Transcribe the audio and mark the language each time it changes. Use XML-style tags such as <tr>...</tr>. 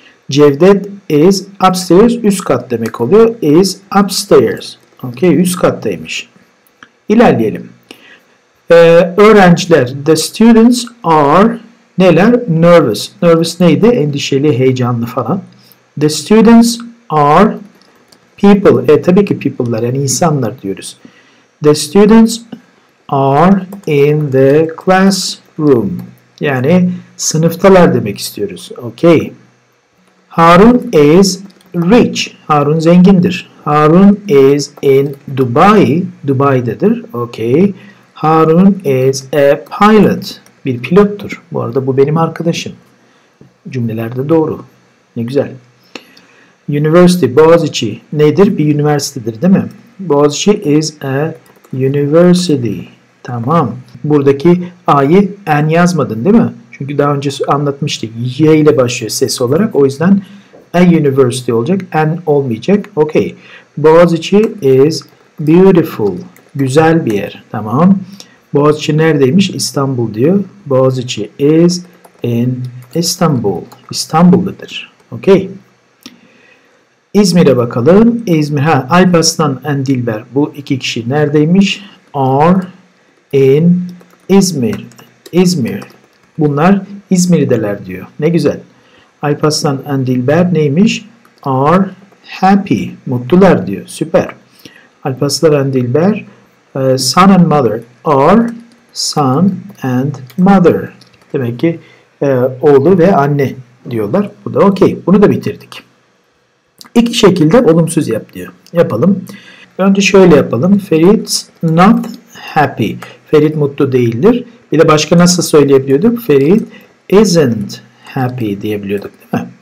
<en>Cevdet is upstairs.</en> <tr>Üst kat demek oluyor.</tr> <en>Is upstairs.</en> <tr>Okey. Üst kattaymış. İlerleyelim. Öğrenciler.</tr> <en>The students are</en> <tr>neler?</tr> <en>Nervous. Nervous</en> <tr>neydi? Endişeli, heyecanlı falan.</tr> <en>The students are people.</en> <tr>Tabii ki people'lar. Yani insanlar diyoruz.</tr> <en>The students are in the classroom.</en> <tr>Yani sınıftalar demek istiyoruz.</tr> <en>Okay. Harun is rich.</en> <tr>Harun zengindir.</tr> <en>Harun is in Dubai.</en> <tr>Dubai'dedir.</tr> <en>Okay. Harun is a pilot.</en> <tr>Bir pilottur. Bu arada bu benim arkadaşım. Cümlelerde doğru. Ne güzel. University, Boğaziçi nedir? Bir üniversitedir değil mi?</tr> <en>Boğaziçi is a university.</en> <tr>Tamam. Buradaki A'yı N yazmadın değil mi? Çünkü daha önce anlatmıştık. Y ile başlıyor ses olarak. O yüzden a university olacak. N olmayacak. Okay.</tr> <en>Boğaziçi is beautiful.</en> <tr>Güzel bir yer. Tamam. Boğaziçi neredeymiş? İstanbul diyor.</tr> <en>Boğaziçi is in Istanbul.</en> <tr>İstanbul'dadır. Okay. İzmir'e bakalım. İzmir. Ha, Alp Aslan and Dilber. Bu iki kişi neredeymiş?</tr> <en>Are in İzmir. İzmir.</en> <tr>Bunlar İzmir'deler diyor. Ne güzel. Alp Aslan and Dilber neymiş?</tr> <en>Are happy.</en> <tr>Mutlular diyor. Süper.</tr> <en>Alp Aslan and Dilber. Son and mother are son and mother.</en> <tr>Demek ki oğlu ve anne diyorlar. Bu da okey. Bunu da bitirdik. İki şekilde olumsuz yap diyor. Yapalım. Önce şöyle yapalım.</tr> <en>Ferit's not happy.</en> <tr>Ferit mutlu değildir. Bir de başka nasıl söyleyebiliyorduk?</tr> <en>Ferit isn't happy</en> <tr>diyebiliyorduk değil mi?</tr>